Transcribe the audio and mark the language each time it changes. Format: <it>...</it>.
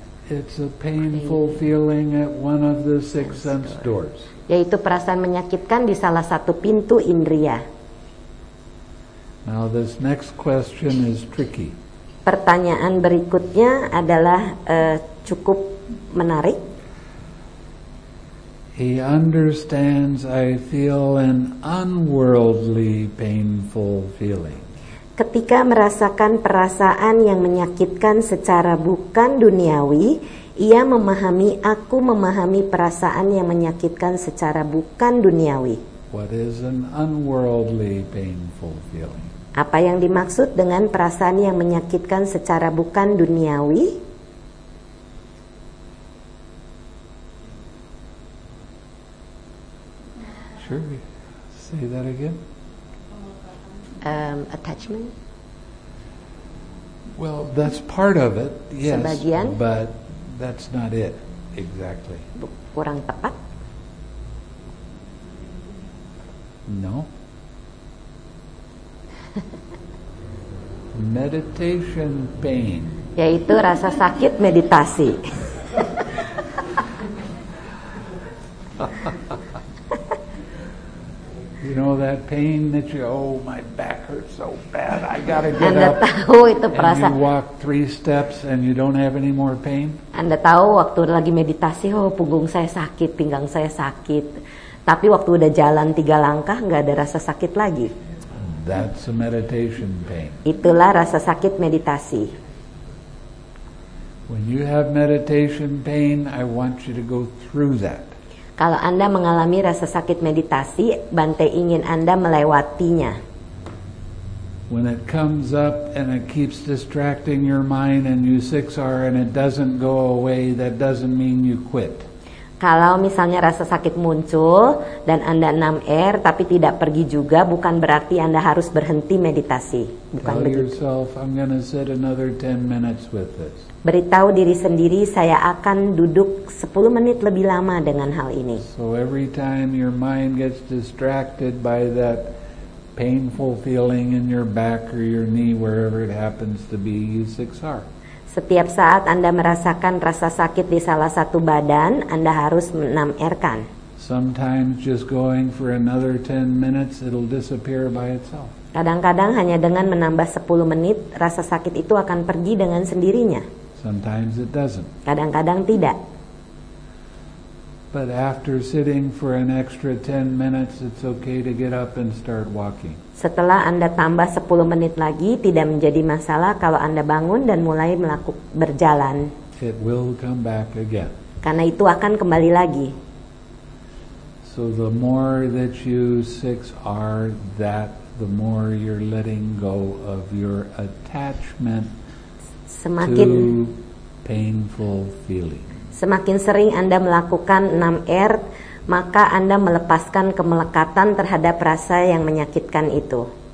<en>It's a painful feeling at one of the six sense doors.</en> <id>Yaitu perasaan menyakitkan di salah satu pintu indria.</id> <en>Now this next question is tricky.</en> <id>Pertanyaan berikutnya adalah cukup menarik.</id> <en>He understands I feel an unworldly painful feeling.</en> <id>Ketika merasakan perasaan yang menyakitkan secara bukan duniawi, ia memahami aku memahami perasaan yang menyakitkan secara bukan duniawi.</id> <en>What is an unworldly painful feeling?</en> <id>Apa yang dimaksud dengan perasaan yang menyakitkan secara bukan duniawi?</id> <en>Sure, say that again. Attachment. Well, that's part of it, yes.</en> <id>Sebagian.</id> <en>But that's not it, exactly.</en> <id>Kurang tepat?</id> <en>No. Meditation pain.</en> <id>Yaitu rasa sakit meditasi.</id> <en>You know that pain that you, oh my back hurts so bad, I gotta get</en> <id>Anda</id> <en>up.</en> <id>Anda tahu itu perasaan.</id> <en>And you walk three steps and you don't have any more pain.</en> <id>Anda tahu waktu lagi meditasi, oh punggung saya sakit, pinggang saya sakit. Tapi waktu udah jalan tiga langkah, nggak ada rasa sakit lagi.</id> <en>That's a meditation pain.</en> <id>Itulah rasa sakit meditasi.</id> <en>When you have meditation pain, I want you to go through that.</en> <id>Kalau Anda mengalami rasa sakit meditasi, Bante ingin Anda melewatinya.</id> <en>When it comes up and it keeps distracting your mind and you six-R and it doesn't go away, that doesn't mean you quit.</en> <id>Kalau misalnya rasa sakit muncul dan Anda 6R tapi tidak pergi juga, bukan berarti Anda harus berhenti meditasi. Bukan begitu.</id> <en>Tell yourself, I'm gonna sit another 10 minutes with this.</en> <id>Beritahu diri sendiri, saya akan duduk 10 menit lebih lama dengan hal ini.</id> <en>So every time your mind gets distracted by that painful feeling in your back or your knee, wherever it happens to be, you 6R.</en> <id>Setiap saat Anda merasakan rasa sakit di salah satu badan, Anda harus 6R-kan.</id> <en>Sometimes just going for another 10 minutes, it'll disappear by itself.</en> <id>Kadang-kadang hanya dengan menambah 10 menit, rasa sakit itu akan pergi dengan sendirinya.</id> <en>Sometimes it doesn't.</en> <id>Kadang-kadang tidak.</id> <en>But after sitting for an extra 10 minutes, it's okay to get up and start walking.</en> <id>Setelah Anda tambah 10 menit lagi, tidak menjadi masalah kalau Anda bangun dan mulai berjalan.</id> <en>It will come back again.</en> <id>Karena itu akan kembali lagi.</id> <en>So the more that you 6R, that the more you're letting go of your attachment</en> <id>semakin</id> <en>to painful feeling.</en> <id>Semakin sering Anda melakukan 6R, maka Anda melepaskan kemelekatan terhadap rasa yang menyakitkan itu.</id>